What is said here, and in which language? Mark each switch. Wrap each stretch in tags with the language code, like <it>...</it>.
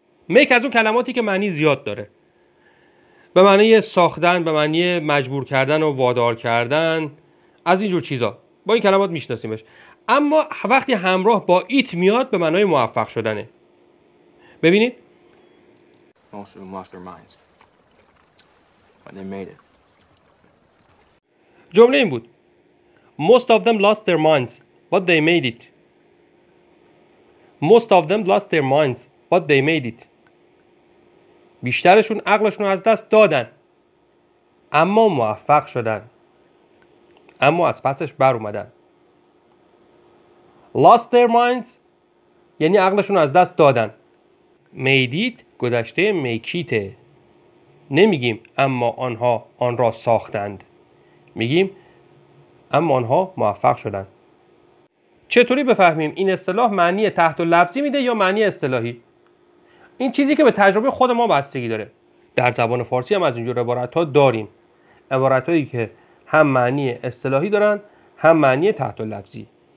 <fa>make از اون کلماتی که معنی زیاد داره، به معنی ساختن، به معنی مجبور کردن و وادار کردن، از اینجور چیزا. با این کلمات میشناسیمش. اما وقتی همراه با it میاد به معنی موفق شدنه. ببینید.</fa> <en>Most of them lost their minds. But they made it.</en> <fa>جمله این بود.</fa> <en>Most of them lost their minds. But they made it. Most of them lost their minds. But they made it.</en> <fa>بیشترشون عقلشون رو از دست دادن اما موفق شدن، اما از پسش بر اومدن.</fa> <en>lost their minds</en> <fa>یعنی عقلشون رو از دست دادن. made it گذشته make it. نمیگیم اما آنها آن را ساختند، میگیم اما آنها موفق شدن. چطوری بفهمیم این اصطلاح معنی تحت و لفظی میده یا معنی اصطلاحی؟ این چیزی که به تجربه خود ما بستگی داره. در زبان فارسی هم از اینجور عبارت‌ها داریم. عبارت‌هایی که هم معنی اصطلاحی دارن هم معنی تحت لفظی.</fa>